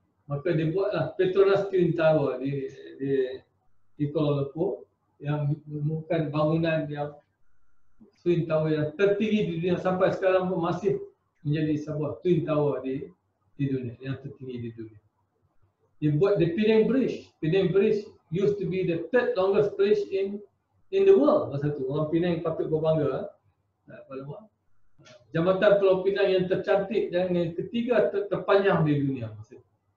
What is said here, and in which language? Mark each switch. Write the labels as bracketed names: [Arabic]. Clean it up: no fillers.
[Malay] Maka dia buatlah Petronas Twin Tower di Kuala Lumpur, yang bukan bangunan yang Twin Tower yang tertinggi di dunia sampai sekarang pun masih menjadi sebuah Twin Tower di dunia, yang tertinggi di dunia. Dia buat the Penang Bridge. [English] Penang Bridge used to be the third longest bridge in the world. [Malay] Masa tu orang Penang patut berbangga. Jambatan Pulau Penang yang tercantik dan yang ketiga terpanjang di dunia masa tu.